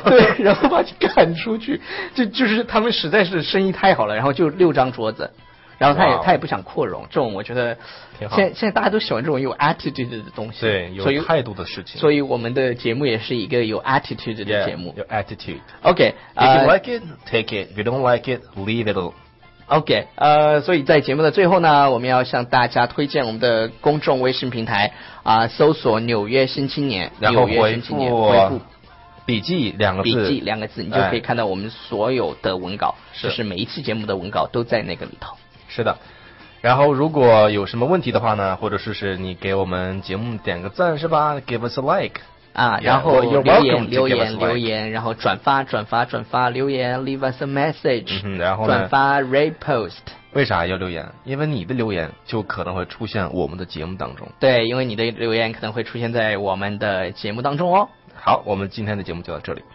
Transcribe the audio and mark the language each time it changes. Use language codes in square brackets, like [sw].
[zh] 对，然后把你赶出去，就是他们实在是生意太好了，然后就六张桌子。然后他也不想扩容，这种我觉得现在大家都喜欢这种有 attitude 的东西，对，有态度的事情。所以我们的节目也是一个有 attitude 的节目。 Yeah, 有 attitude。 OK， [en] if you like it, take it. If you don't like it, leave it. [zh] OK， 所以在节目的最后呢，我们要向大家推荐我们的公众微信平台搜索《纽约新青年》，然后回复笔记两个字，你就可以看到我们所有的文稿，就是每一期节目的文稿都在那个里头。是的，然后如果有什么问题的话呢，或者是你给我们节目点个赞是吧 ？ [en] Give us a like [zh] 啊，然后留言，然后转发留言 ， [en] leave us a message， [zh] 然后转发 repost。为啥要留言？因为你的留言就可能会出现我们的节目当中。对，因为你的留言可能会出现在我们的节目当中哦。好，我们今天的节目就到这里。